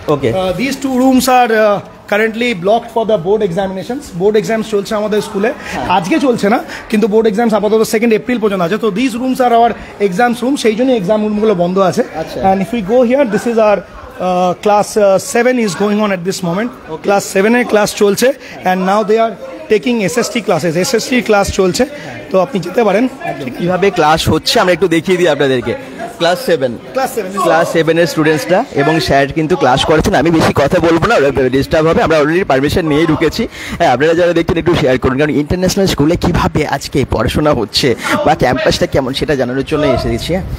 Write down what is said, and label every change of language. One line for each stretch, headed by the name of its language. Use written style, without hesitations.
Bangla: Okay,
English: this two rooms are currently blocked for the board examinations,
Bangla: board exams চলছে আমাদের স্কুলে, আজকে চলছে না কিন্তু বোর্ড এক্সামস আপাতত 2nd April পর্যন্ত আছে, তো
English: this rooms are our exams room,
Bangla: সেই জন্যই এক্সাম রুমগুলো বন্ধ আছে।
English: And if you go here this is our class 7 is going on at this moment. Okay. Class 7
Bangla: A class চলছে,
English: and now they are taking SST classes.
Bangla: SST class চলছে, তো আপনি যেতে পারেন। কিভাবে ক্লাস হচ্ছে আমরা একটু দেখিয়ে দিই আপনাদেরকে। ক্লাস 7 ক্লাস 7 এর স্টুডেন্টসরা এবং স্যার কিন্তু ক্লাস করছেন, আমি বেশি কথা বলবো না, ডিস্টার্ব হবে, আমরা অলরেডি পারমিশন নিয়ে ঢুকেছি। হ্যাঁ, আপনারা যারা দেখছেন একটু শেয়ার করুন, কারণ ইন্টারন্যাশনাল স্কুলে কিভাবে আজকে পড়াশোনা হচ্ছে বা ক্যাম্পাসটা কেমন সেটা জানানোর জন্য এসে দিচ্ছি।